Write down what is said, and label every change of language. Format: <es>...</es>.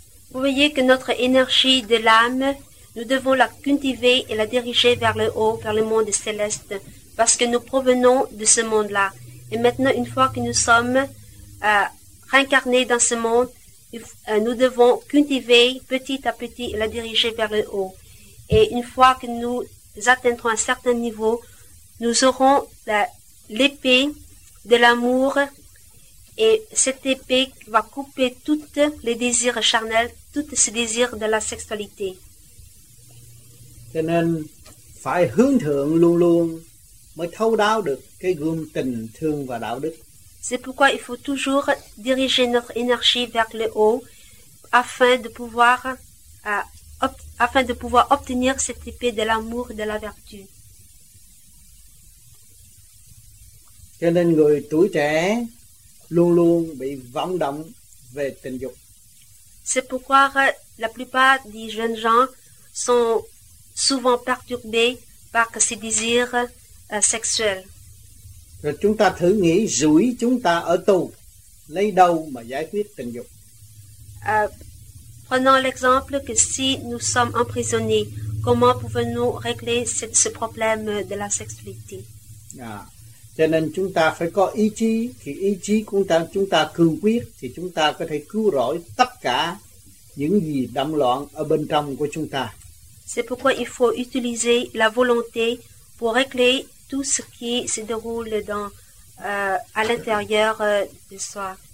<fr>Vous voyez que notre énergie de l'âme, nous devons la cultiver et la diriger vers le haut, vers le monde céleste, parce que nous provenons de ce monde-là. Et maintenant, une fois que nous sommes réincarnés dans ce monde, nous devons cultiver petit à petit et la diriger vers le haut. Et une fois que nous atteindrons un certain niveau, nous aurons l'épée de l'amour, et cette épée va couper tous les désirs charnels, tous ces désirs de la sexualité.</fr> <vi>Cho nên phải hướng thượng luôn luôn mới thấu đáo được cái gương tình thương và đạo đức.</vi> <fr>C'est pourquoi il faut toujours diriger notre énergie vers le haut afin de pouvoir obtenir cette épée de l'amour et de la vertu.</fr> <vi>Cho nên người tuổi trẻ luôn luôn bị vọng động về tình dục.</vi> <fr>C'est pourquoi la plupart des jeunes gens sont souvent perturbés par ces désirs sexuels.</fr> <vi>Rồi chúng ta thử nghĩ rủi chúng ta ở tù, lấy đâu mà giải quyết tình dục?</vi> <fr>Prenons l'exemple que si nous sommes emprisonnés, comment pouvons-nous régler ce problème de la sexualité?</fr> <vi>Cho nên chúng ta phải có ý chí, thì ý chí của chúng ta cương quyết thì chúng ta có thể cứu rỗi tất cả những gì động loạn ở bên trong của chúng ta.</vi> <fr>C'est pourquoi il faut utiliser la volonté pour régler tout ce qui se déroule à l'intérieur de soi.</fr>